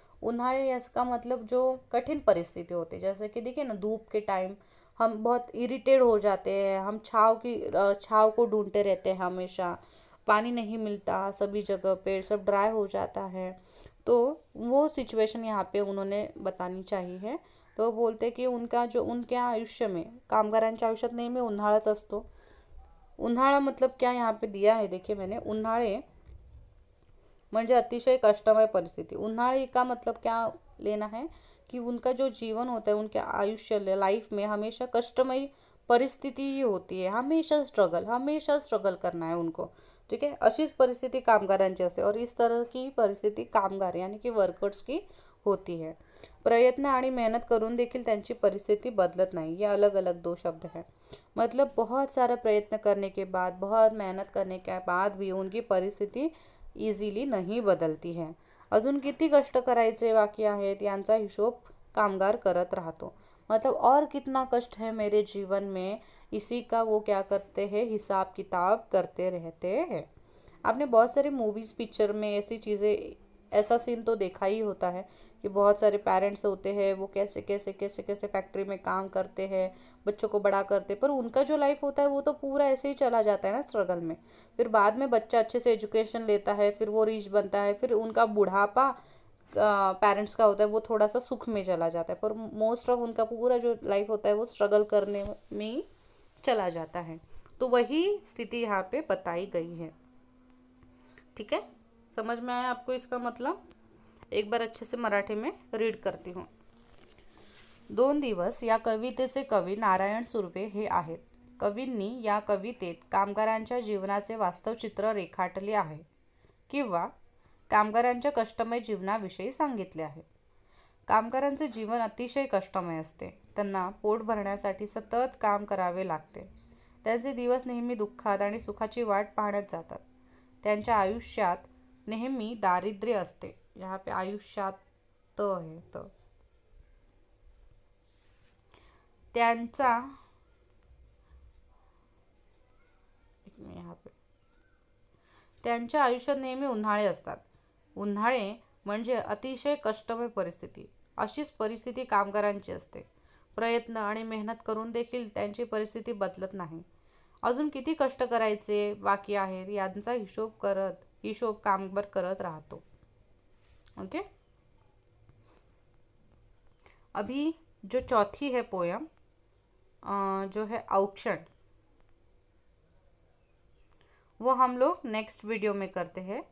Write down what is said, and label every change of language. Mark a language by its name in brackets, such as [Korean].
[Hindi] उन्हाळे इसका मतलब जो कठिन परिस्थिति होती है, जैसे कि देखिए ना, धूप के टाइम हम बहुत इरिटेट हो जाते हैं, हम छाव को ढूंढते रहते हैं हमेशा, पानी नहीं मिलता सभी जगह पे, सब ड्राई हो जाता है, तो वो सिचुएशन यहाँ पे उन्होंने बतानी चाहिए है। तो बोलते कि उनका जो, उनके आयुष्य में, [Marathi] कामगारांच्या आयुष्यात नेहमी उन्हाळाच असतो। [Hindi] उन्हाळा मतलब क्या यहाँ पे दिया है, देखिए मैंने, [Marathi] उन्हाळे म्हणजे अतिशय कष्टमय परिस्थिती। [Hindi] उन्हाळे का मतलब क्या लेना है कि उनका जो जीवन होता है, उनके आयुष्य, लाइफ में हमेशा कष्टमय परिस्थिति ही होती है, हमेशा स्ट्रगल, हमेशा स्ट्रगल करना है उनको, ठीक है। [Marathi] अशीच परिस्थिति कामगारांची असते, [Hindi] और इस तरह की परिस्थिति कामगार यानी कि वर्कर्स की होती है। [Marathi] प्रयत्न आणि मेहनत करून देखील त्यांची परिस्थिती बदलत नाही, [Hindi] ये अलग अलग दो शब्द है। मतलब बहुत सारा प्रयत्न करने के बाद, बहुत मेहनत करने के बाद भी उनकी परिस्थिती इजीली नहीं बदलती है। [Marathi] अजून किती कष्ट करायचे बाकी आहेत यांचा हिशोब कामगार करत राहतो। [Hindi] मतलब और कितना कष्ट है मेरे जीवन में, इसी का वो क्या करते हैं, हिसाब किताब करते रहते हैं। आपने बहुत सारे मूवीज पिक्चर में ऐसी चीज़ें, ऐसा सीन तो देखा ही होता है कि बहुत सारे पेरेंट्स होते हैं, वो कैसे कैसे कैसे कैसे फैक्ट्री में काम करते हैं, बच्चों को बड़ा करते हैं, पर उनका जो लाइफ होता है वो तो पूरा ऐसे ही चला जाता है ना स्ट्रगल में। फिर बाद में बच्चा अच्छे से एजुकेशन लेता है, फिर वो रिच बनता है, फिर उनका बुढ़ापा पेरेंट्स का होता है वो थोड़ा सा सुख में चला जाता है, पर मोस्ट ऑफ उनका पूरा जो लाइफ होता है वो स्ट्रगल करने में ही चला जाता है। तो वही स्थिति यहाँ पे बताई गई है, ठीक है। समझ में आया आपको इसका मतलब? एक बार अच्छे से मराठी में रीड करती हूँ। [Marathi] 2 दिवस या कवितेचे कवी नारायण सुर्वे हे आहेत। कवींनी या कवितेत कामगारांच्या जीवनाचे वास्तव चित्र रेखाटले आहे किंवा कामगारांच्या कष्टमय जीवनाविषयी सांगितले आहे। कामगारांचे जीवन अतिशय कष्टमय असते, त्यांना पोट भरण्यासाठी सतत काम करावे लागते, त्यांचे दिवस नेहमी दुःखात आणि सुखाची वाट पाहण्यात जातात, त्यांच्या आयुष्यात नेहमी दारिद्र्य असते। [Hindi] यहाँ पे [Marathi] आयुष्यात तो है तो त्यांचा, यहाँ पे त्यांच्या आयुष्यात नेहमी उन्हाळे असतात, उन्हाळे म्हणजे अतिशय कष्टमय परिस्थिती। अशीच परिस्थिती कामगारांची असते, प्रयत्न आणि मेहनत करून देखील त्यांची परिस्थिती बदलत नाही। अजून किती कष्ट करायचे बाकी आहेत यांचा हिशोब कामगार करत राहतो। [Hindi] ओके अभी जो चौथी है पोयम जो है औक्षण, वो हम लोग नेक्स्ट वीडियो में करते हैं।